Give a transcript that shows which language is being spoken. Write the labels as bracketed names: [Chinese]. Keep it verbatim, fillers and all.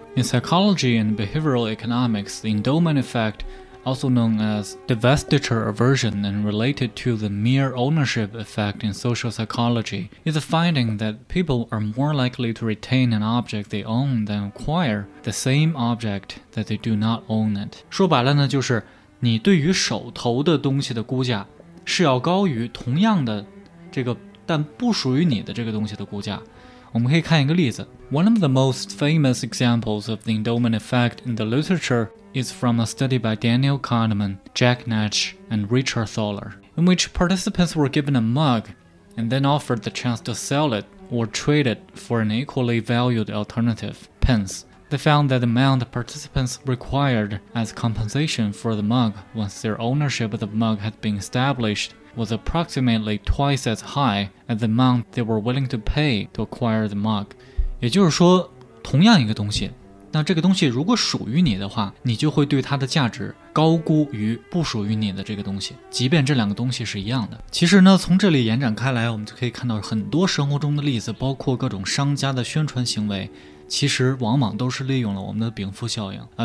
[English] In psychology and behavioral economics, the endowment effect, also known as divestiture aversion and related to the mere ownership effect in social psychology, is a finding that people are more likely to retain an object they own than acquire the same object that they do not own it. [Chinese] 说白了呢，就是你对于手头的东西的估价是要高于同样的这个但不属于你的这个东西的估价。我们可以看一个例子。 [English] One of the most famous examples of the endowment effect in the literature is from a study by Daniel Kahneman, Jack Natch, and Richard Thaler, in which participants were given a mug and then offered the chance to sell it or trade it for an equally valued alternative, pence. They found that the amount the participants required as compensation for the mug once their ownership of the mug had been established was approximately twice as high as the amount they were willing to pay to acquire the mug. [Chinese] 也就是说，同样一个东西，那这个东西如果属于你的话，你就会对它的价值高估于不属于你的这个东西，即便这两个东西是一样的。其实呢，从这里延展开来，我们就可以看到很多生活中的例子，包括各种商家的宣传行为，其实往往都是利用了我们的禀赋效应啊。